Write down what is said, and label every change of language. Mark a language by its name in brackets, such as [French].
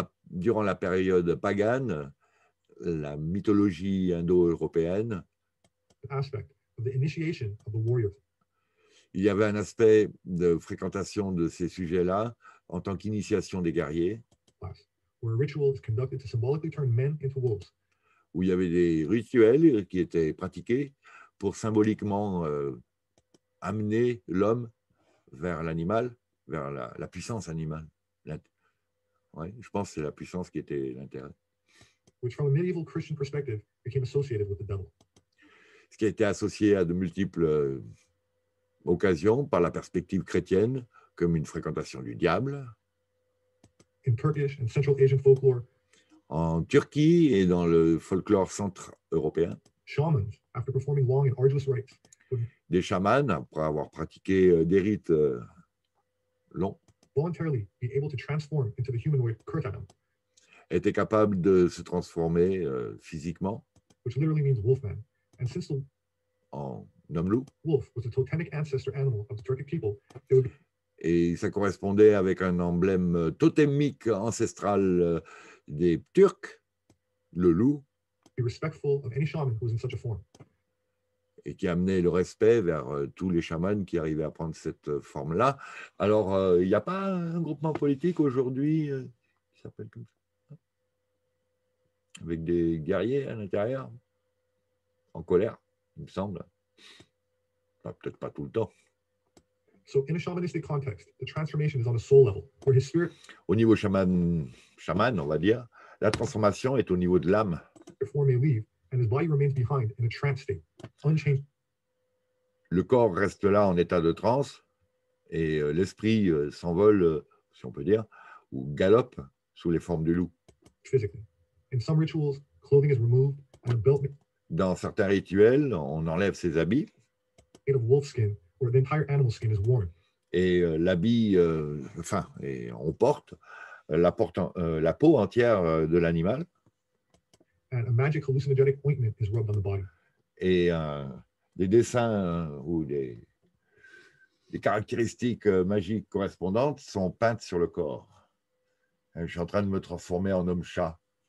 [French] Durant la période pagane, la mythologie indo-européenne. [English] Aspect of the initiation of the warrior. [French] Il y avait un aspect de fréquentation de ces sujets-là en tant qu'initiation des guerriers. [English] Where a ritual is conducted to symbolically turn men into wolves. [French] Où il y avait des rituels qui étaient pratiqués pour symboliquement amener l'homme vers l'animal, vers la puissance animale. Ouais, je pense que c'est la puissance qui était l'intérêt. [English] Which from a medieval Christian perspective became associated with the devil. [French] Ce qui a été associé à de multiples occasions par la perspective chrétienne, comme une fréquentation du diable. [English] In Turkish and Central Asian folklore, [French] en Turquie et dans le folklore centre-européen, [English] shamans, after performing long and arduous rites, [French] des chamans, après avoir pratiqué des rites longs, [English] voluntarily be able to transform into the humanoid Kurt Adam, [French] étaient capables de se transformer physiquement, [English] which literally means wolfman. And since Nomlu, wolf was a totemic ancestor animal of the Turkic people, [French] et ça correspondait avec un emblème totémique ancestral des Turcs, le loup. [English] Be respectful of any shaman who was in such a form. [French] Et qui amenait le respect vers tous les chamans qui arrivaient à prendre cette forme-là. Alors, il n'y a pas un groupement politique aujourd'hui qui s'appelle comme ça, avec des guerriers à l'intérieur. En colère, il me semble. Enfin, peut-être pas tout le temps. [English] So in a shamanistic context, the transformation is on a soul level, where his spirit. [French] Au niveau chaman, on va dire, la transformation est au niveau de l'âme. [English] The form may leave, and his body remains behind in a trance state, unchanged. [French] Le corps reste là en état de transe, et l'esprit s'envole, si on peut dire, ou galope sous les formes du loup. [English] Physically. In some rituals, clothing is removed and a belt. [French] Dans certains rituels, on enlève ses habits. [English] Made of wolf skin, or the entire animal skin is worn. [French] Et l'habit, enfin, et on porte la, porte, la peau entière de l'animal. [English] And a magic hallucinogenic ointment is rubbed on the body. [French] Et des dessins ou des caractéristiques magiques correspondantes sont peintes sur le corps. Et je suis en train de me transformer en homme chat.